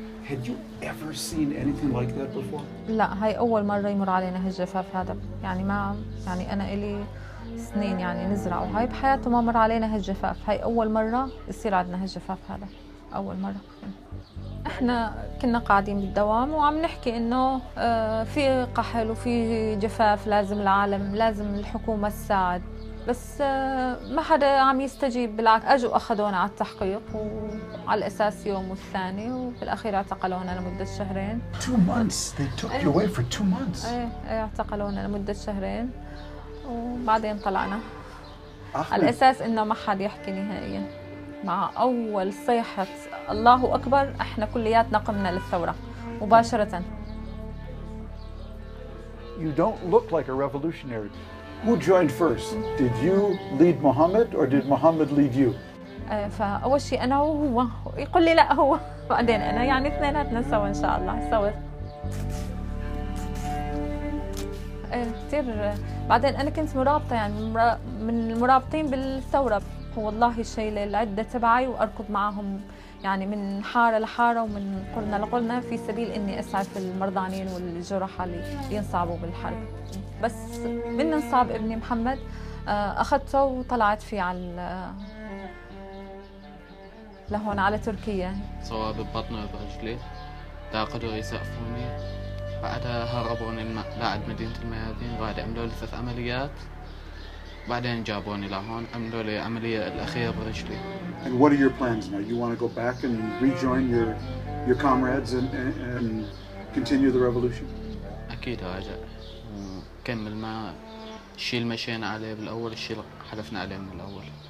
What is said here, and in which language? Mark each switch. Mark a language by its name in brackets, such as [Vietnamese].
[English] Had you ever seen anything like that before? [Arabic] لا هاي اول مره يمر علينا هالجفاف هذا. يعني ما يعني انا الي سنين يعني نزرع وهاي بحياتي ما مر علينا هالجفاف. هاي اول مره يصير عندنا هالجفاف هذا. أول مرة إحنا كنا قاعدين بالدوام وعم نحكي إنه في قحل وفي جفاف لازم العالم لازم الحكومة تساعد بس ما حدا عم يستجيب. بالعكس أجوا أخذونا على التحقيق وعلى الأساس يوم والثاني وبالأخير اعتقلونا لمدة شهرين. [English] Two months they took you away for 2 months. [Arabic] إيه اعتقلونا لمدة شهرين وبعدين طلعنا على الأساس إنه ما حد يحكي نهائيا. مع أول صيحة الله أكبر إحنا كلياتنا قمنا للثورة مباشرة. [English] You don't look like a revolutionary. Who joined first? Did you lead Muhammad or did Muhammad lead you? [Arabic] فأول شيء أنا وهو يقول لي لا هو بعدين أنا يعني اثنيناتنا سوا إن شاء الله سوا. كثير بعدين أنا كنت مرابطة يعني من المرابطين بالثورة. والله شايلة العدة تبعي وأركض معهم يعني من حارة لحارة ومن قرنة لقرنة في سبيل إني أسعف المرضانين والجرحى اللي ينصابوا بالحرب. بس من انصاب ابني محمد أخذته وطلعت فيه على لهون على تركيا. صواب ببطنه وبرجلي لا قدروا يسقفوني. بعدها هربوني بعد مدينة الميادين بعد عملوا لي 3 عمليات. بعدين جابوني لهون عملوا لي عملية الأخيرة برجلي. [English] And what are your plans now? You want to go back and rejoin your comrades and continue the revolution? [Arabic] أكيد راجع كمل ما الشيء اللي مشينا عليه بالأول الشيء اللي حلفنا عليه من الأول.